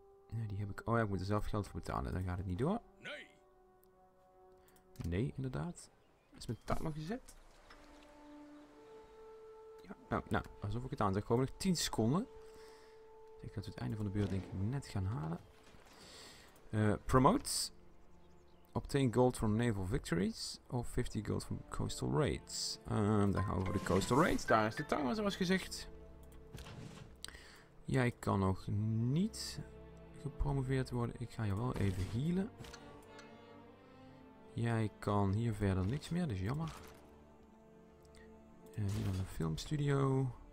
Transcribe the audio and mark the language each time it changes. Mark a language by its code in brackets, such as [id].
[nl] Ja, die heb ik. Oh ja, ik moet er zelf geld voor betalen. Dan gaat het niet door. Nee, inderdaad. Is mijn timer gezet? Ja, nou, alsof ik het aan zeg. Gewoon nog 10 seconden. Ik ga het einde van de beurt denk ik net gaan halen. [en] Promote. Obtain gold from naval victories. Of 50 gold from coastal raids. [nl] Dan gaan we voor de coastal raids. Daar is de timer zoals gezegd. Jij kan nog niet gepromoveerd worden. Ik ga je wel even healen. Jij kan hier verder niks meer. Dat is jammer. Hier dan een filmstudio.